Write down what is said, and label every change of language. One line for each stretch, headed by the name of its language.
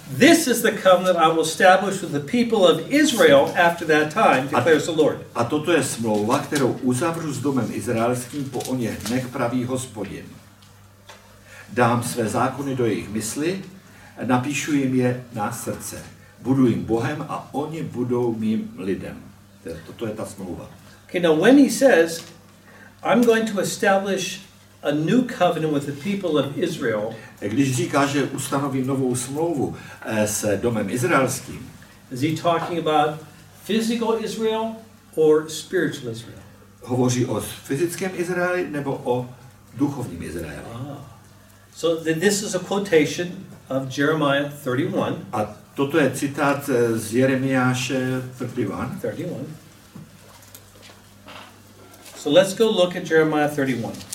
English: this is the covenant I will establish with the people of Israel after that time, declares the Lord.
Czech: A toto je smlouva, kterou uzavřu s domem izraelským po oněch dnech, praví Hospodin. Dám své zákony do jejich mysli, napíšu jim je na srdce. Budu jim Bohem a oni budou mým lidem. Toto je ta smlouva.
English: Okay, now when he says, I'm going to establish a new covenant with the people of Israel.
Czech: Když říká, že ustanoví novou smlouvu s domem izraelským.
English: Is he talking about physical Israel or spiritual Israel?
Czech: Hovoří o fyzickém Izraeli nebo o duchovním Izraeli?
English: So then this is a quotation of Jeremiah 31.
Czech: A toto je citát z Jeremiáše 31.
English: So let's go look at Jeremiah 31.